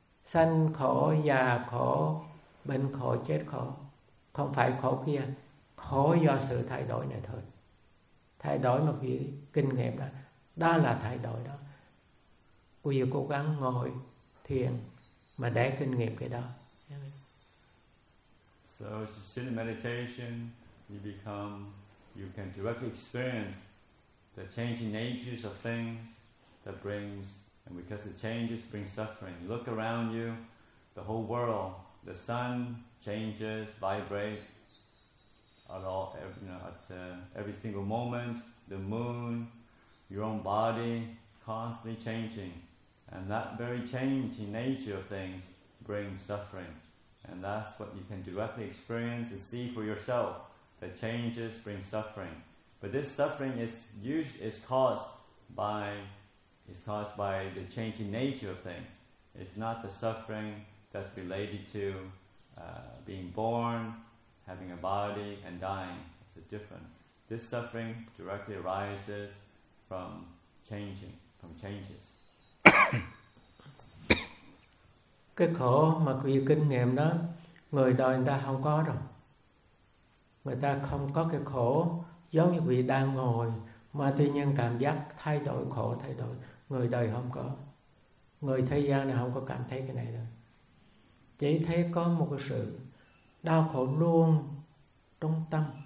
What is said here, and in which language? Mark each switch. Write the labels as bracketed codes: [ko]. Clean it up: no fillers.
[vi] sanh khổ, già khổ, bệnh khổ, chết khổ. Không phải khổ kia, khổ do sự thay đổi này thôi. Thay đổi một cái kinh nghiệm đó, đó là thay đổi đó. Quý vị cố gắng ngồi thiền mà để kinh nghiệm cái đó. [en] So as you sit in meditation, you can directly experience the changing natures of things that brings, and because the changes bring suffering. You look around you, the whole world, the sun changes, vibrates at all, you know, at every single moment, the moon, your own body, constantly changing. And that very changing nature of things brings suffering. And that's what you can directly experience and see for yourself, that changes bring suffering. But this suffering is caused by the changing nature of things. It's not the suffering that's related to being born, having a body, and dying. It's a different. This suffering directly arises from changing, from changes. [vi] Cái khổ mà quý vị kinh nghiệm đó, người đời người ta không có rồi. Người ta không có cái khổ giống như quý vị đang ngồi, mà tuy nhiên cảm giác thay đổi, khổ thay đổi, người đời không có. Người thế gian này không có cảm thấy cái này đâu. Chỉ thấy có một cái sự đau khổ luôn trong tâm.